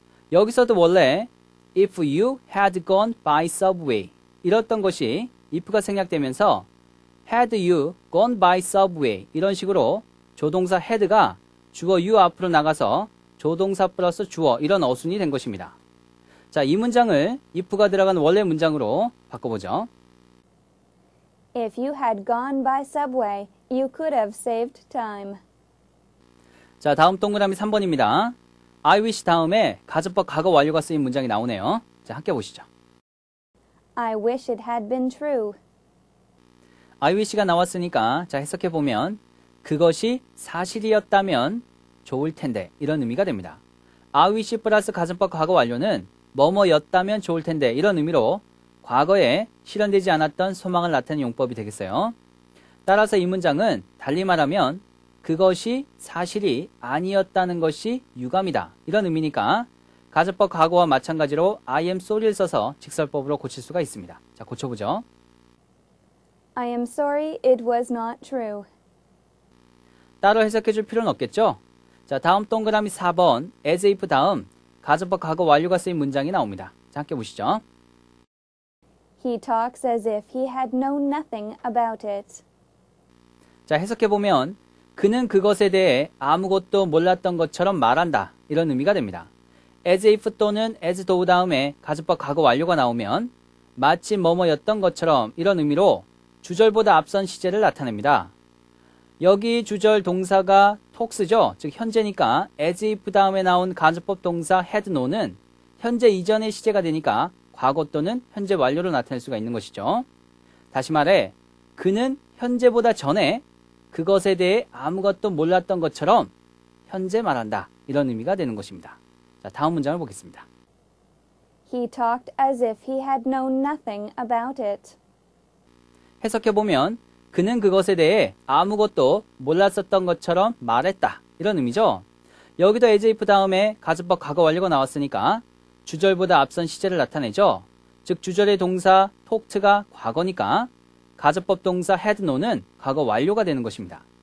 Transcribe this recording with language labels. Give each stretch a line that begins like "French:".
Korean: 여기서도 원래
English: if you had gone by subway
Korean: 이랬던 것이 if가 생략되면서
English: had you gone by subway
Korean: 이런 식으로 조동사 had가 주어 you 앞으로 나가서 조동사 플러스 주어 이런 어순이 된 것입니다. 자, 이 문장을 if가 들어간 원래 문장으로 바꿔보죠.
English: If you had gone by subway, you could have saved time.
Korean: 자, 다음 동그라미 3번입니다. I wish 다음에 가정법 과거 완료가 쓰인 문장이 나오네요. 자, 함께 보시죠.
English: I wish it had been true.
Korean: I wish가 나왔으니까 자, 해석해 보면 그것이 사실이었다면 좋을 텐데 이런 의미가 됩니다. I wish 플러스 가정법 과거 완료는 뭐뭐였다면 좋을 텐데 이런 의미로 과거에 실현되지 않았던 소망을 나타내는 용법이 되겠어요. 따라서 이 문장은 달리 말하면 그것이 사실이 아니었다는 것이 유감이다. 이런 의미니까 가정법 과거와 마찬가지로 I am sorry를 써서 직설법으로 고칠 수가 있습니다. 자, 고쳐보죠.
English: I am sorry it was not true.
Korean: 따로 해석해 줄 필요는 없겠죠? 자, 다음 동그라미 4번 as if 다음 가정법 과거 완료가 쓰인 문장이 나옵니다. 자, 함께 보시죠.
English: He talks as if he had known nothing about it.
Korean: 자, 해석해보면 그는 그것에 대해 아무것도 몰랐던 것처럼 말한다. 이런 의미가 됩니다. As if 또는 as though 다음에 가정법 과거 완료가 나오면 마치 뭐뭐였던 것처럼 이런 의미로 주절보다 앞선 시제를 나타냅니다. 여기 주절 동사가 talks죠. 즉 현재니까 as if 다음에 나온 가정법 동사 had known은 현재 이전의 시제가 되니까 과거 또는 현재 완료를 나타낼 수가 있는 것이죠. 다시 말해 그는 현재보다 전에 그것에 대해 아무것도 몰랐던 것처럼 현재 말한다. 이런 의미가 되는 것입니다. 자, 다음 문장을 보겠습니다.
English: He talked as if he had known nothing about it.
Korean: 해석해보면 그는 그것에 대해 아무것도 몰랐었던 것처럼 말했다. 이런 의미죠. 여기도 as if 다음에 가정법 과거 완료가 나왔으니까 주절보다 앞선 시제를 나타내죠. 즉 주절의 동사 talked가 과거니까 가정법 동사 had known은 과거 완료가 되는 것입니다.